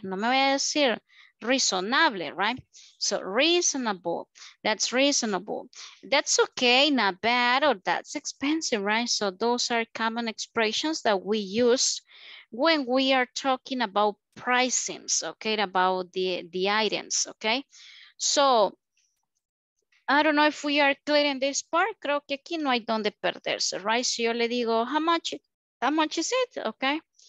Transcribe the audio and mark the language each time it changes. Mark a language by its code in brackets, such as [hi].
[es] No me voy a decir [en] reasonable, right? So reasonable, that's okay, not bad, or that's expensive, right? So those are common expressions that we use when we are talking about pricings, okay, about the items, okay? So I don't know if we are clear in this part. [es] Creo que aquí no hay donde perderse, [en] right? So [es] yo le digo, [en] how much is it, okay?